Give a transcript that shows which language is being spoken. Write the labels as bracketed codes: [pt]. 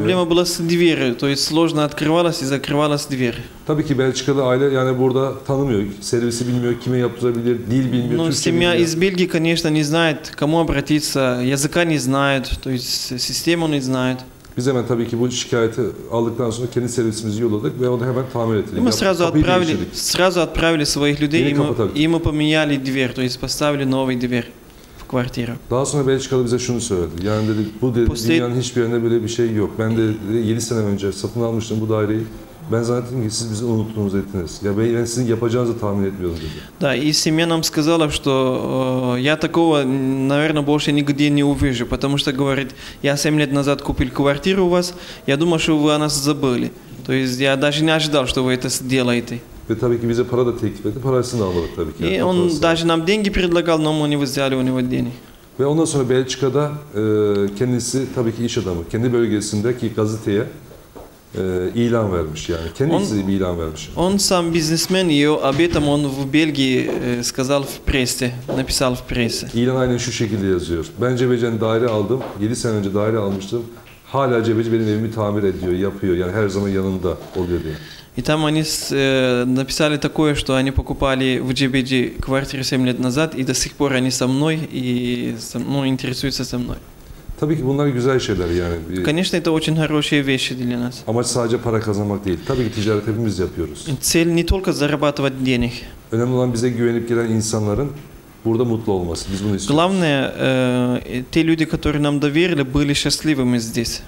[ru] Проблема была с дверью, то есть сложно открывалась и закрывалась дверь. [tr] Tabii ki Belçikalı aile yani burada tanımıyor. Servisi bilmiyor, kime yaptırabilir, dil bilmiyor. [ru] Но семья из Бельгии, конечно, не знает, кому обратиться, языка не знает, то есть систему не знает. [tr] Biz hemen tabii ki bu şikayeti aldıktan sonra kendi servisimizi yolladık ve onu hemen tamir ettik. [ru] Мы сразу отправили, своих людей и мы поменяли дверь, то есть поставили новый дверь. Квартира. [tr] Daha sonra Belçikalı bize şunu söyledi. Yani dedi bu dedi, dünyanın hiçbir yerinde böyle bir şey yok. Ben de 7 sene önce satın almıştım bu daireyi. Ben zannettim ki siz bizi unuttunuz ettiniz. Ya ben sizin yapacağınızı tahmin etmiyordum dedi. [ru] Да, и семья нам сказала, что я такого, наверное, больше нигде не увижу, потому что говорит, я 7 лет назад купил квартиру у вас. Я думал, что вы о нас забыли. То есть я даже не ожидал, что вы это сделаете. [tr] Ve tabii ki bize para da teklif etti. Parasını aldık tabii ki. [ru] И он даже нам деньги предлагал, но мы не взяли у него денег. [tr] Ve ondan sonra Belçika'da kendisi tabii ki iş adamı. Kendi bölgesindeki gazeteye ilan vermiş yani. Kendisi bir ilan vermiş. [ru] Он сам бизнесмен, и об этом он в Бельгии сказал в прессе, написал в прессе. [tr] İlan aynen şu şekilde yazıyor. Ben Cebeci'den daire aldım. 7 sene önce daire almıştım. Hala Cebeci benim evimi tamir ediyor, yapıyor. Yani her zaman yanında oluyor diye. [ru] И там они написали такое, что они покупали в GBG квартиру 7 лет назад, и до сих пор они со мной, и интересуются со мной. [tr] Tabii ki bunlar güzel şeyler yani. [ru] Конечно, это очень хорошие вещи для нас. [tr] Amaç sadece para kazanmak değil. Tabii ki ticaret hepimiz yapıyoruz. [ru] Цель не только зарабатывать денег. [tr] Önemli olan bize güvenip gelen insanların burada mutlu olması. Biz bunu istiyoruz. [ru] Главное, те люди, которые нам доверили, были счастливыми здесь.